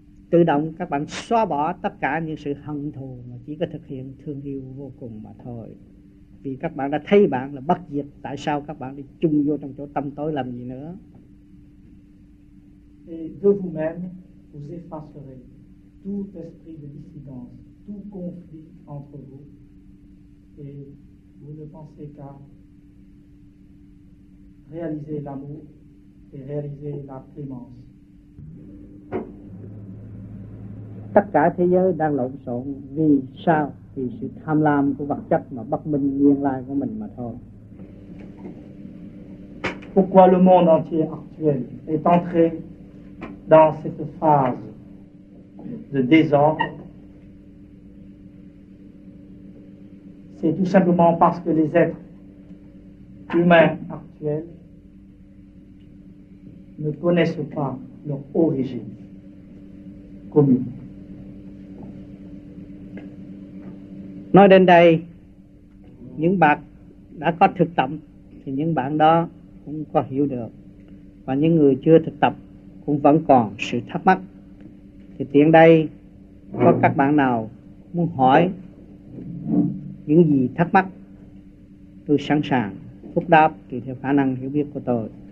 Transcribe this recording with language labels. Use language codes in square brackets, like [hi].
[vi] tự động các bạn xóa bỏ tất cả những sự hận thù mà chỉ có thực hiện thương yêu vô cùng mà thôi. Vì các bạn đã thấy bạn là bất diệt, tại sao các bạn đi chung vô trong chỗ tâm tối làm gì nữa? [fr] Et de vous-même, vous effacerez tout esprit de dissidence, tout conflit entre vous, et vous ne pensez qu'à réaliser l'amour et réaliser la clémence. [vi] Tất cả thế giới đang lộn xộn vì sao? Vì sự tham lam của vật chất mà bất minh nguyên lai của mình mà thôi. [fr] Pourquoi le monde entier actuel est entré dans cette phase de désordre? C'est tout simplement parce que les êtres humains actuels ne connaissent pas leur origine commune. [vi] Nói đến đây, những bạn đã có thực tập thì những bạn đó cũng có hiểu được. Và những người chưa thực tập cũng vẫn còn sự thắc mắc. Thì tiện đây, có các bạn nào muốn hỏi những gì thắc mắc, tôi sẵn sàng phúc đáp tùy theo khả năng hiểu biết của tôi.